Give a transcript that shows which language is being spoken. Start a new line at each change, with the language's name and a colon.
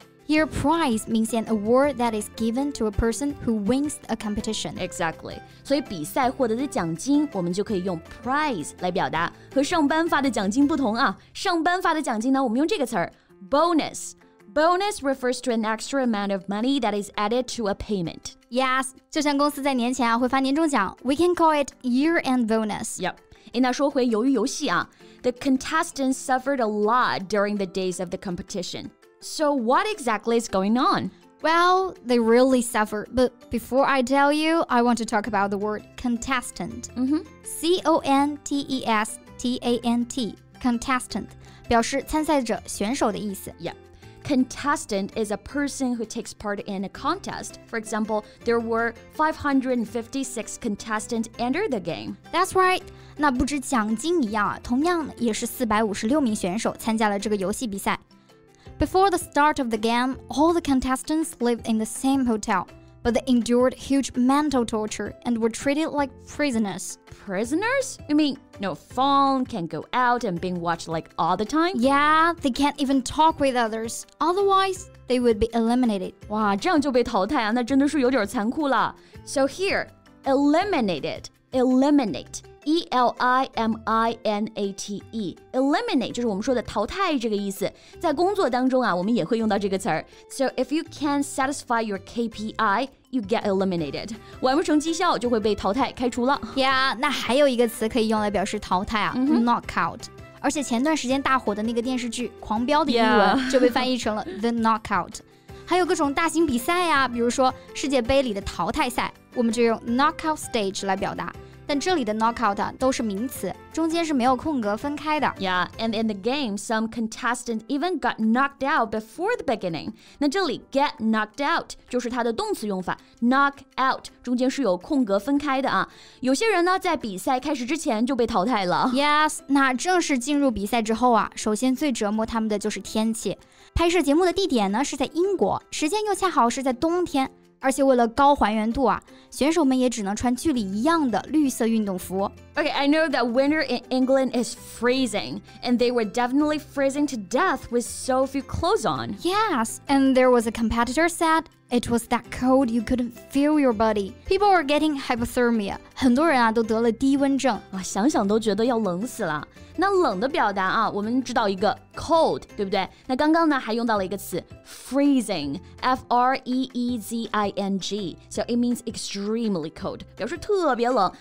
English: Here, prize means an award that is given to a person who wins a competition.
Chinese: Exactly. 所以比赛获得的奖金，我们就可以用 prize 来表达。和上班发的奖金不同啊，上班发的奖金呢，我们用这个词儿 bonus.
English: Bonus refers to an extra amount of money that is added to a payment.
Chinese: Yes, 就像公司在年前啊会发年终奖 ，
English: we can call it year-end bonus. Yep.
Chinese: 那说回鱿鱼游戏啊
English: ，the contestants suffered a lot during the days of the competition. So what exactly is going on? Well, they really suffer. But before I tell you, I want to talk about the word contestant. C-O-N-T-E-S-T-A-N-T, contestant,
Chinese: 表示参赛者、选手的意思。
English: Yeah. Contestant is a person who takes part in a contest. For example, there were 556 contestants enter the game. That's right.
Chinese: 那不止奖金一样啊，同样也是456名选手参加了这个游戏比赛。
English: Before the start of the game, all the contestants lived in the same hotel, but they endured huge mental torture and were treated like prisoners. Prisoners? You mean no phone, can't go out and being watched like all the time? Yeah, they can't even talk with others. Otherwise, they would be eliminated.
Chinese: 哇，这样就被淘汰啊，那真的是有点残酷了。
English: So here, eliminated, eliminate, E-L-I-M-I-N-A-T-E.
Chinese: Eliminate 就是我们说的淘汰这个意思。在工作当中啊，我们也会用到这个词儿。
English: So if you can't satisfy your KPI, you get eliminated.
Chinese: 完不成绩效就会被淘汰开除了。 Yeah, 那还有一个词可以用来表示淘汰啊、knockout. 而且前段时间大火的那个电视剧《狂飙》的英文就被翻译成了 the knockout. 还有各种大型比赛啊，比如说世界杯里的淘汰赛，我们就用 knockout stage 来表达。但这里的 knockout 都是名词，中间是没有空格分开的。
English: Yeah, and in the game, some contestants even got knocked out before the beginning.
Chinese: 那这里 get knocked out 就是它的动词用法 ，knock out 中间是有空格分开的啊。有些人呢，在比赛开始之前就被淘汰了。 Yes, 那正式进入比赛之后啊，首先最折磨他们的就是天气。拍摄节目的地点呢是在英国，时间又恰好是在冬天。而且为了高还原度啊，选手们也只能穿距离一样的绿色运动服。
English: Okay, I know that winter in England is freezing, and they were definitely freezing to death with so few clothes on. Yes, and there was a competitor said it was that cold you couldn't feel your body. People were getting hypothermia.
Chinese: 很多人啊都得了低温症啊，想想都觉得要冷死了。那冷的表达啊，我们知道一个 cold, 对不对？那刚刚呢还用到了一个词 freezing, F-R-E-E-Z-I-N-G.
English: So it means extremely cold,
Chinese: 表示特别冷。